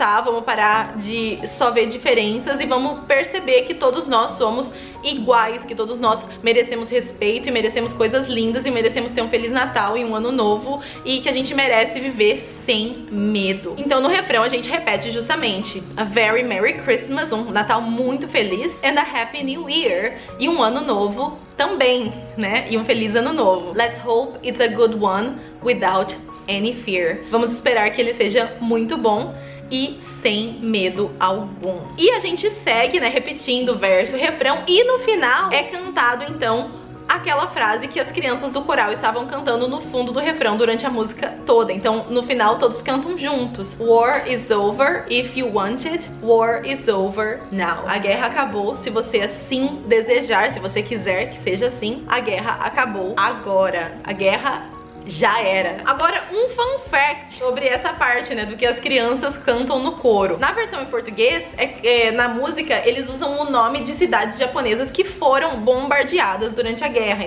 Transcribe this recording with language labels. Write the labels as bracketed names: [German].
[Portuguese] Tá, vamos parar de só ver diferenças e vamos perceber que todos nós somos iguais, que todos nós merecemos respeito e merecemos coisas lindas e merecemos ter um Feliz Natal e um Ano Novo e que a gente merece viver sem medo. Então no refrão a gente repete justamente [English] A Very Merry Christmas, [Portuguese] um Natal muito feliz [English] and a Happy New Year [Portuguese] e um Ano Novo também, né? E um Feliz Ano Novo. [English] Let's hope it's a good one without any fear. [Portuguese] Vamos esperar que ele seja muito bom e sem medo algum. E a gente segue, né, repetindo verso, refrão, e no final é cantado, então, aquela frase que as crianças do coral estavam cantando no fundo do refrão durante a música toda. Então, no final, todos cantam juntos. [English] War is over if you want it. War is over now. [Portuguese] A guerra acabou se você assim desejar, se você quiser que seja assim. A guerra acabou agora. A guerra já era. Agora, um fun fact sobre essa parte, né, do que as crianças cantam no coro. Na versão em português, na música, eles usam o nome de cidades japonesas que foram bombardeadas durante a guerra.